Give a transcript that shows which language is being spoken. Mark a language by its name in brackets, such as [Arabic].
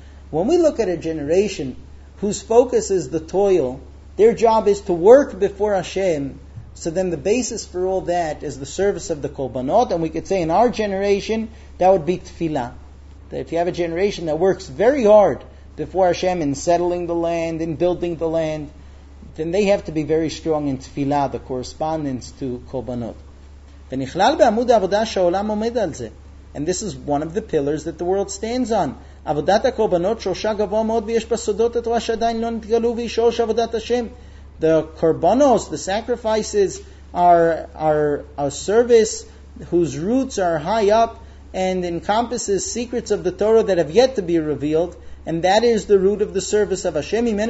[English] When we look at a generation whose focus is the toil, their job is to work before Hashem, so then the basis for all that is the service of the korbanot, and we could say in our generation, that would be tefillah. That if you have a generation that works very hard before Hashem in settling the land, in building the land, then they have to be very strong in tefillah, the correspondence to korbanot. [Hebrew] ונכלל בעמוד העבודה שהעולם עומד על זה. [English] And this is one of the pillars that the world stands on. [Hebrew] עבודת הקורבנות שורשה גבוה מאוד ויש בסודות התורה שעדיין לא נתגלו והיא שורש עבודת השם. [English] The korbanos, the sacrifices, are a service whose roots are high up and encompasses secrets of the Torah that have yet to be revealed, and that is the root of the service of Hashem.